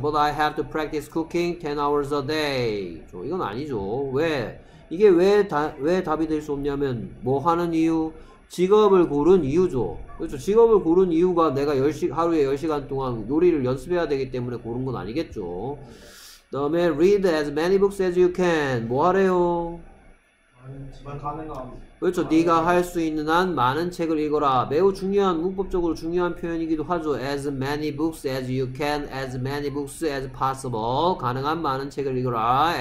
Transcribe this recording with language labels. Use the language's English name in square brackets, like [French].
[English] But I have to practice cooking 10 hours a day. [Korean] 그쵸? 이건 아니죠. 왜? 이게 왜 답이 될수 없냐면, 뭐 하는 이유? 직업을 고른 이유죠. 그렇죠. 직업을 고른 이유가 내가 하루에 10시간 동안 요리를 연습해야 되기 때문에 고른 건 아니겠죠. [English] 그다음에 read as many books as you can. [Korean] 뭐 하래요? 집안 가능한 그렇죠. 네가 할수 있는 한 많은 책을 읽어라. 매우 중요한 문법적으로 중요한 표현이기도 하죠. [English] As many books as you can, as many books as possible. [Korean] 가능한 많은 책을 읽어라.